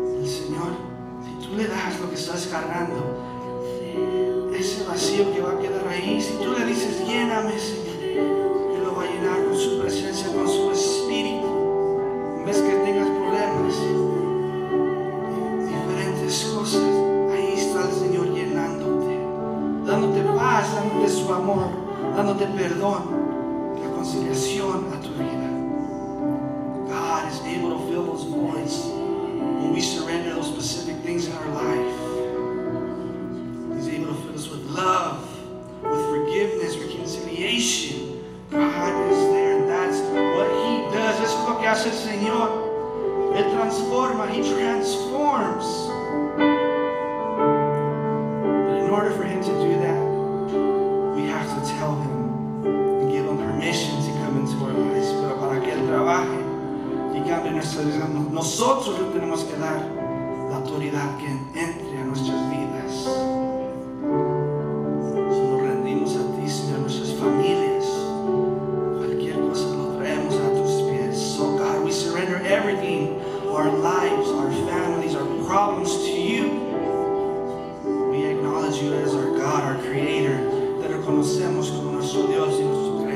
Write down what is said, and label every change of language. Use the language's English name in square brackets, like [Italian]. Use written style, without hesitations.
[Spanish] Señor, si tú le das lo que estás cargando, ese vacío que va a quedar ahí, si tú le dices lléname, Señor, Él lo va a llenar con su presencia, con su espíritu. En vez que tengas problemas, diferentes cosas, ahí está el Señor llenándote, dándote paz, dándote su amor, dándote perdón. Reconciliación a tu vida. [English] God is able to fill those voids when we surrender those specific things in our life. He's able to fill us with love, with forgiveness, reconciliation. God is there, and that's what He does. [Spanish] Eso es lo que hace el Señor. Él transforma, [English] He transforms. But in order for Him to do that, we have to tell Him. Permission to come into our lives, [Spanish] pero para que Él trabaje y cambie nuestra vida, nosotros le tenemos que dar la autoridad que entre a nuestras vidas. Si nos rendimos a ti, Señor, nuestras familias, cualquier cosa lo traemos a tus pies. [English] So God, we surrender everything, our lives, our families, our problems to you. We acknowledge you as our God, our Creator. [Spanish] Te reconocemos como nuestro Dios y nuestro gloria.